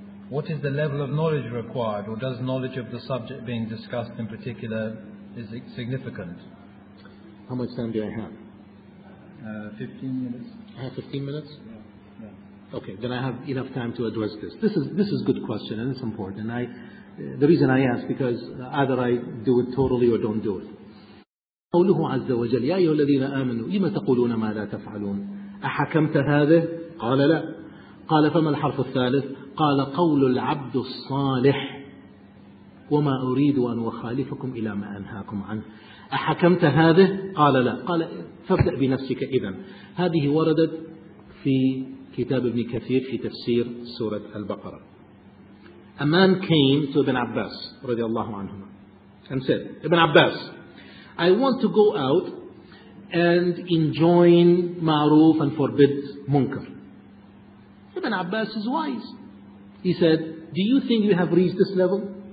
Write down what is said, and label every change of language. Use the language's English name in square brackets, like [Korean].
[English] What is the level of knowledge required, or does knowledge of the subject being discussed in particular is significant? How much time do I have? 15 minutes. I have 15 minutes? Yeah. Okay, then I have enough time to address this. This is a good question and it's important. The reason I ask, because either I do it totally or don't do it. [Arabic] قوله عز وجل يا أيها الذين آمنوا لما تقولون ما لا تفعلون أحكمت هذا؟ قال لا. قال فما الحرف الثالث؟ قال قول العبد الصالح وما أريد أن أخالفكم إلى ما أنهاكم عنه. أحكمت هذا؟ قال لا. قال فابدأ بنفسك إذن. هذه وردت في كتاب ابن كثير في تفسير سورة البقرة. [English] A man came to Ibn Abbas رضي الله عنهما and said, Ibn Abbas, I want to go out and enjoin ma'ruf and forbid munkar. Ibn Abbas is wise. He said, do you think you have reached this level?